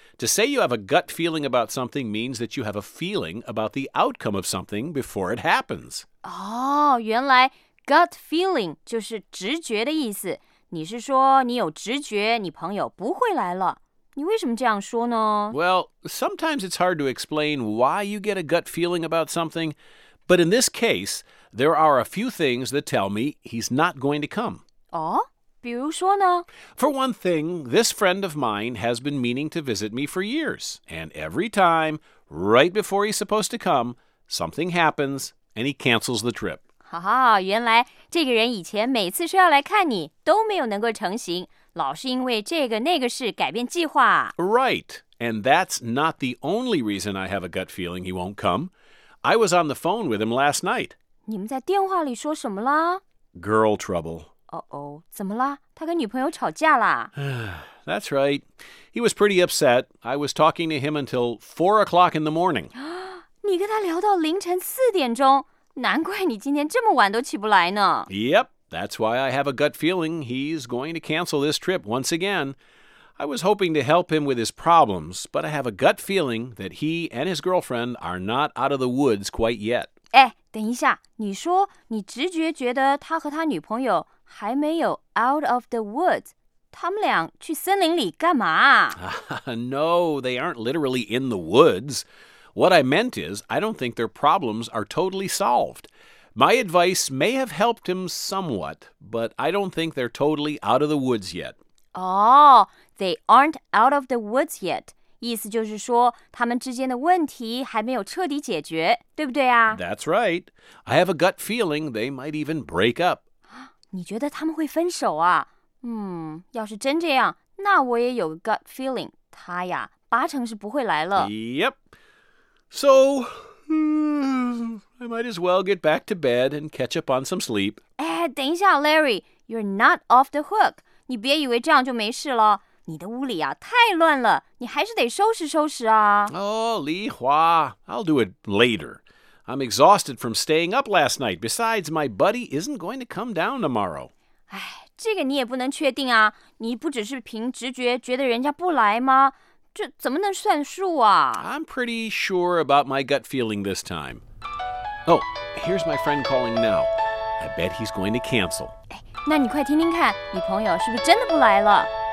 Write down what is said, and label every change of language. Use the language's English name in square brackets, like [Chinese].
[English] To say you have a gut feeling about something means that you have a feeling about the outcome of something before it happens. [Chinese] 原来Gut feeling 就是直觉的意思。你是说你有直觉你朋友不会来了。你为什么这样说呢？ [English] Well, sometimes it's hard to explain why you get a gut feeling about something. But in this case, there are a few things that tell me he's not going to come. [Chinese] 比如说呢？ [English] For one thing, this friend of mine has been meaning to visit me for years. And every time, right before he's supposed to come, something happens and he cancels the trip. [Chinese] 原来这个人以前每次说要来看你都没有能够成行，老是因为这个那个事改变计划。 [English] Right, and that's not the only reason I have a gut feeling he won't come. I was on the phone with him last night. [Chinese] 你们在电话里说什么啦？ [English] Girl trouble. [Chinese] 怎么啦？他跟女朋友吵架啦？ [English] That's right. He was pretty upset. I was talking to him until 4 o'clock in the morning. [Chinese] 你跟他聊到凌晨4点钟？难怪你今天这么晚都起不来呢。 [English] Yep, that's why I have a gut feeling he's going to cancel this trip once again. I was hoping to help him with his problems, but I have a gut feeling that he and his girlfriend are not out of the woods quite yet. [Chinese] 等一下，你说你直觉觉得他和他女朋友还没有 [English] out of the woods, [Chinese] 他们俩去森林里干嘛 [English] No, they aren't literally in the woods. What I meant is, I don't think their problems are totally solved. My advice may have helped him somewhat, but I don't think they're totally out of the woods yet. Oh, they aren't out of the woods yet. [Chinese] 意思就是说他们之间的问题还没有彻底解决，对不对啊？ [English] That's right. I have a gut feeling they might even break up. [Chinese] 你觉得他们会分手啊？要是真这样，那我也有个 gut feeling， 他呀，八成是不会来了。 [English] Yep. So, I might as well get back to bed and catch up on some sleep. [Chinese] 哎，等一下 [English] ，Larry， you're not off the hook. [Chinese] 你别以为这样就没事了。你的屋里啊，太乱了，你还是得收拾收拾啊。 [English] Oh, Li Hua, I'll do it later. I'm exhausted from staying up last night. Besides, my buddy isn't going to come down tomorrow. [Chinese] 哎。这个你也不能确定啊，你不只是凭直觉觉得人家不来吗？这怎么能算数啊？ [English] I'm pretty sure about my gut feeling this time. Oh, here's my friend calling now. I bet he's going to cancel. [Chinese] 那你快听听看，你朋友是不是真的不来了？